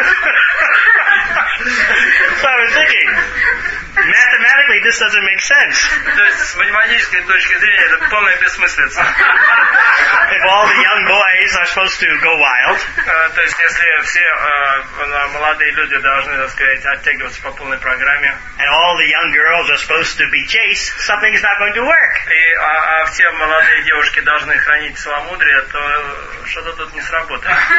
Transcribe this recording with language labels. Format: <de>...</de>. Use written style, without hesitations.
<en>So I was thinking, mathematically, this doesn't make sense.</en> <ru>То есть, с математической точки зрения, это полная бессмыслица.</ru> <en>If all the young boys are supposed to go wild.</en> <ru>То есть, если все молодые люди должны, так сказать, оттягиваться по полной программе.</ru> <en>And all the young girls are supposed to be chaste, something is not going to work.</en> <ru>И все молодые девушки должны хранить целомудрие, то что-то тут не сработает.</ru>